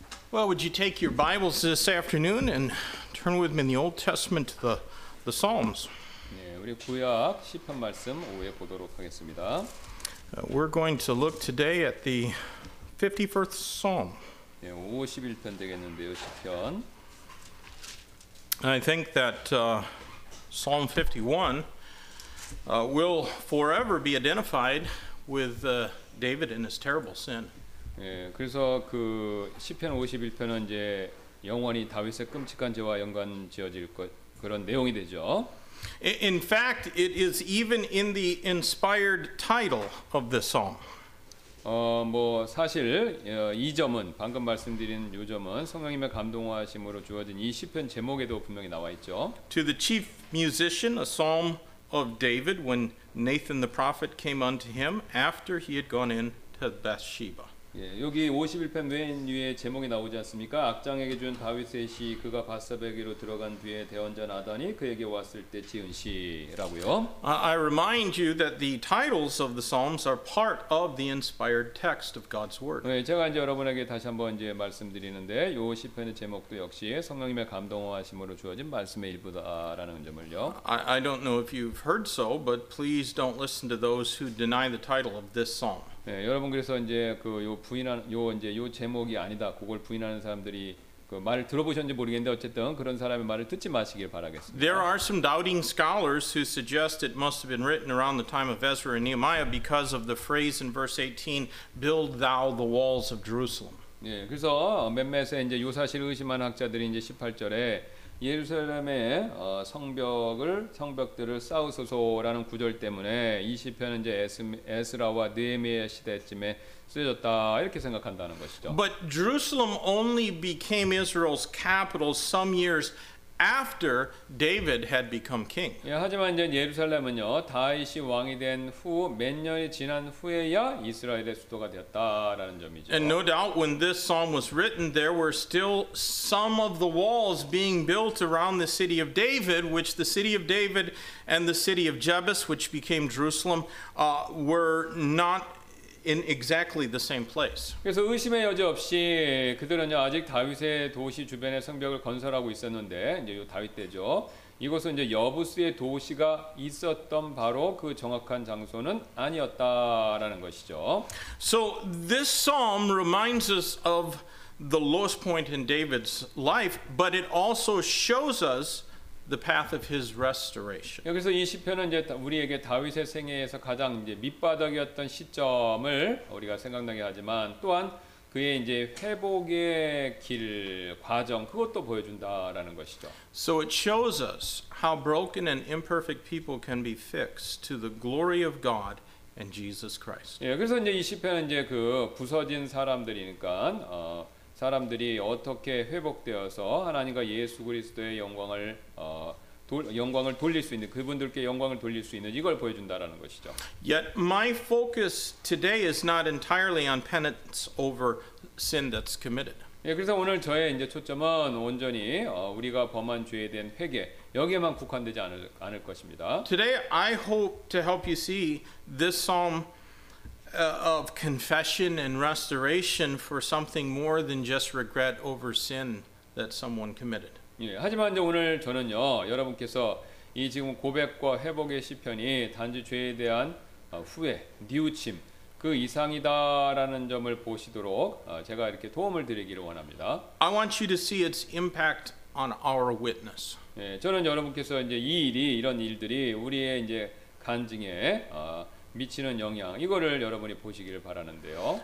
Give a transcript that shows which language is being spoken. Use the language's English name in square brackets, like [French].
[English] Well, would you take your Bibles this afternoon and turn with me in the Old Testament to the Psalms? [Korean] 네, 우리 구약 시편 말씀 오후에 보도록 하겠습니다. [English] We're going to look today at the 51st Psalm. [Korean] 네, 오후 11편 되겠는데요, 시편. [English] I think that Psalm 51 will forever be identified with David and his terrible sin. [Korean] 예, 그래서 그 시편 51편은 이제 영원히 다윗의 끔찍한 죄와 연관지어질 것 그런 내용이 되죠. [English] In fact, it is even in the inspired title of the psalm. [Korean] 뭐 사실 이 점은 방금 말씀드린 요 점은 성령님의 감동하심으로 주어진 이 시편 제목에도 분명히 나와 있죠. [English] To the chief musician, a psalm of David when Nathan the prophet came unto him after he had gone in to Bathsheba. [Korean] 예, 여기 51편 맨 위에 제목이 나오지 않습니까? 악장에게 준 다윗의 시, 그가 밧사베기로 들어간 뒤에 대언자 나단이 그에게 왔을 때 지은 시라고요. [English] I remind you that the titles of the Psalms are part of the inspired text of God's Word. [Korean] 네, 제가 이제 여러분에게 다시 한번 이제 말씀드리는데, 요 시편의 제목도 역시 성령님의 감동하심으로 주어진 말씀의 일부다라는 점을요. [English] I don't know if you've heard so, but please don't listen to those who deny the title of this Psalm. [Korean] 네, 여러분 그래서 이제 그 요 부인한 요 이제 요 제목이 아니다. 그걸 부인하는 사람들이 그 말을 들어보셨는지 모르겠는데 어쨌든 그런 사람의 말을 듣지 마시길 바라겠습니다. [English] There are some doubting scholars who suggest it must have been written around the time of Ezra and Nehemiah because of the phrase in verse 18, "Build thou the walls of Jerusalem." [Korean] 네, 그래서 몇몇의 이제 요 사실을 의심하는 학자들이 이제 18절에 예루살렘의 성벽들을 쌓으소서라는 구절 때문에 이 시편은 이제 에스라와 느헤미야 시대쯤에 쓰여졌다 이렇게 생각한다는 것이죠. [English] But Jerusalem only became Israel's capital some years after David had become king. [Korean] 예, 하지만 이제 예루살렘은요 다윗이 왕이 된 후 몇 년이 지난 후에야 이스라엘의 수도가 되었다라는 점이죠. [English] And no doubt when this psalm was written, there were still some of the walls being built around the city of David, which the city of David and the city of Jebus, which became Jerusalem, were not in exactly the same place. [Korean] 그래서 의심의 여지 없이 그들은요 아직 다윗의 도시 주변에 성벽을 건설하고 있었는데 이제 요 다윗 때죠. 이곳은 이제 여부스의 도시가 있었던 바로 그 정확한 장소는 아니었다라는 것이죠. [English] So this psalm reminds us of the lowest point in David's life, but it also shows us the path of his restoration. [Korean] 여기서 이 시편은 이제 우리에게 다윗의 생애에서 가장 이제 밑바닥이었던 시점을 우리가 생각나게 하지만 또한 그의 이제 회복의 길 과정 그것도 보여준다라는 것이죠. [English] So it shows us how broken and imperfect people can be fixed to the glory of God and Jesus Christ. [Korean] 예, 그래서 이제 이 시편은 이제 그 부서진 사람들이니까 사람들이 어떻게 회복되어서 하나님과 예수 그리스도의 영광을 영광을 돌릴 수 있는 그분들께 영광을 돌릴 수 있는 이걸 보여준다라는 것이죠. [English] Yet my focus today is not entirely on penance over sin that's committed. [Korean] 예, 그래서 오늘 저의 이제 초점은 온전히 우리가 범한 죄에 대한 회개 여기에만 국한되지 않을 것입니다. [English] Today I hope to help you see this psalm of confession and restoration for something more than just regret over sin that someone committed. [Korean] 예, 하지만 이제 오늘 저는요 여러분께서 이 지금 고백과 회복의 시편이 단지 죄에 대한 후회, 뉘우침 그 이상이다라는 점을 보시도록 제가 이렇게 도움을 드리기를 원합니다. [English] I want you to see its impact on our witness. [Korean] 예, 저는 여러분께서 이제 이 일이 이런 일들이 우리의 이제 간증에 미치는 영향 이거를 여러분이 보시기를 바라는데요.